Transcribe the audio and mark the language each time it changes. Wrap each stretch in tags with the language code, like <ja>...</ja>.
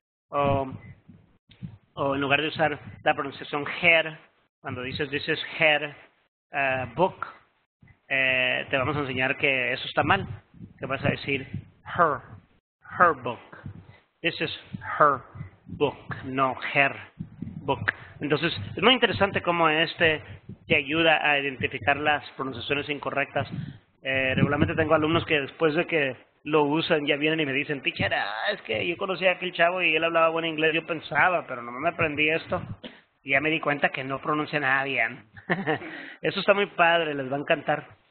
<es>O en lugar de usar la pronunciación her, cuando dices</es> <en>this is her book,</en> <es>te vamos a enseñar que eso está mal. Que vas a decir her book.</es> <en>This is her book, no her book.</en> <es>Entonces, es muy interesante cómo este te ayuda a identificar las pronunciaciones incorrectas. Regularmente tengo alumnos que después de que lo usan, ya vienen y me dicen, teacher, es que yo conocí a aquel chavo y él hablaba buen inglés. Yo pensaba, pero no me aprendí esto. Y ya me di cuenta que no pronuncia nada bien. Eso está muy padre, les va a encantar.</es>